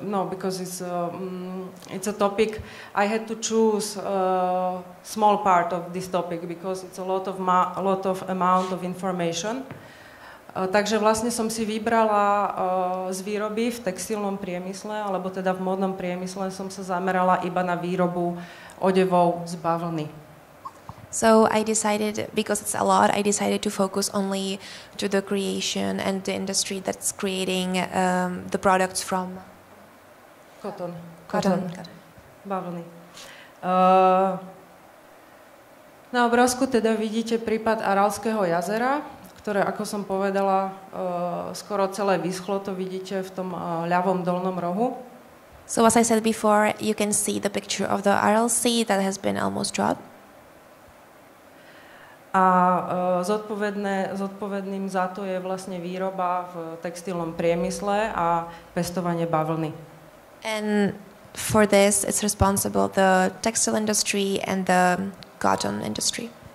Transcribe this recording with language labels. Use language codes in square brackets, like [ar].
[en] Because it's a topic, I had to choose a small part of this topic because it's a lot of amount of information. [sk] Takže vlastne som si vybrala z výroby v textilnom priemysle, alebo teda v módnom priemysle som sa zamerala iba na výrobu odevov z bavlny. [en] So I decided, because it's a lot, I decided to focus only to the creation and the industry that's creating the products from... Cotton. Bavlny. [sk] Na obrázku teda vidíte prípad Aralského jazera, ktoré, ako som povedala, skoro celé vyschlo, to vidíte v tom ľavom dolnom rohu. [en] So as I said before, you can see the picture of the Aral Sea that has been almost dried. [sk] A zodpovedným za to je vlastne výroba v textilnom priemysle a pestovanie bavlny. [en] And for this it's responsible the textile industry and the cotton industry.